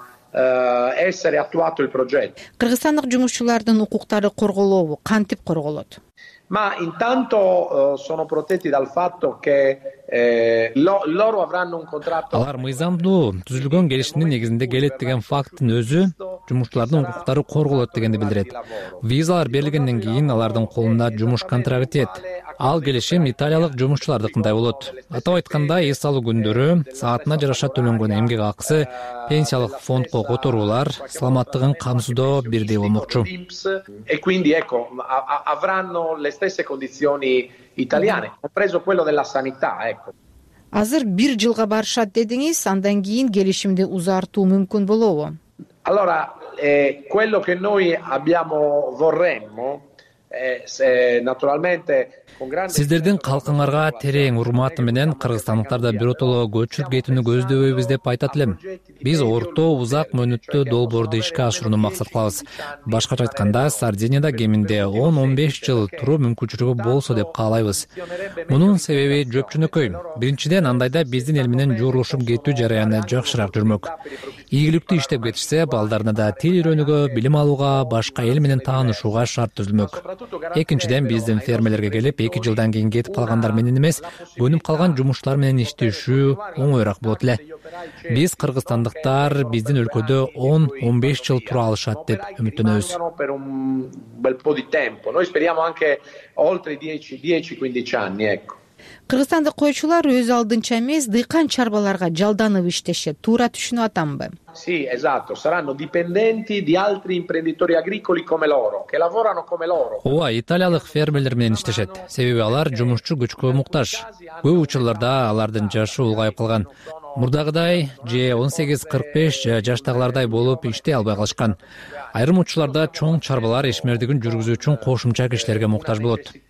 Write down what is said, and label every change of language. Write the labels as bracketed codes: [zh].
[it] Essere attuato il progetto. [ky] Кыргызстандык жумушчулардын укуктары корголобу кантип корголот? [it] Ma intanto sono protetti dal fatto che loro avranno un contratto. [ky] Алар мыйзамдуу түзүлгөн келишимдин негизинде келет деген факттын өзү жумушчулардын укуктары корголот дегенди билдирет. Визалар берилгенден кийин алардын колунда жумуш контракты жетет. Ал келишим италиялык жумушчулардыкындай болот. Атап айтканда, эс алуу күндөрү, саатына жараша төлөнгөн эмгек акысы, пенсиялык фондко которуулар саламаттыгын камсыздоо бирдей болмокчу. [it] E quindi ecco, avranno le stesse condizioni italiane, compreso quello della sanità, ecco. [ky] Азыр 1 жылга барышат дедиңиз, андан кийин келишимди узартуу мүмкүн болобу? [it] Allora, quello che noi abbiamo vorremmo naturalmente [ky] сиздердин калкыңарга терең урматы менен кыргызстандыктарды биротоло көчүрүп кетүүнү көздөбөйбүз деп айтат элем. Биз орто узак мөөнөттө долбоорду ишке ашырууну максат кылабыз. Башкача айтканда, Сардинияда кеминде 10-15 жыл туруу мүмкүнчүлүгү болсо деп каалайбыз. Мунун себеби жөпчүнөкөй. Биринчиден, андайда биздин эл менен жоорулушуп кетүү жараяны жакшыраак жүрмөк. Ийгиликтүү иштеп кетишсе, балдарына да тил үйрөнүүгө, билим алууга, башка эл менен таанышууга шарт түзүлмөк. Экинчиден, биздин фермерлерге келип, 2 жылдан кийин кетип калгандар менен эмес, өнүп калган жумушчулар менен иштешүү оңоюраак болот эле. Биз кыргызстандыктар биздин өлкөдө 10-15 жыл тура алышат деп үмүттөнөбүз. [it] Noi speriamo anche oltre 10-15 anni, ecco. [ky] Кыргызстандык койчулар өз алдынча эмес дыйкан чарбаларга жалданып иштешет. Туура түшүнүп атамбы? [it] Sì, esatto, saranno dipendenti di altri imprenditori agricoli come loro, che lavorano come loro. [ky] Ооба, италиялык фермерлер менен иштешет. Себеби алар жумушчу күчкө муктаж. Көп учурларда алардын жашы улгайып калган. Мурдагыдай же 18-45 жаштагылардай болуп иштей албай калышкан. Айрым учурларда чоң чарбалар ишмердигин жүргүзүү үчүн кошумча кишилерге муктаж болот.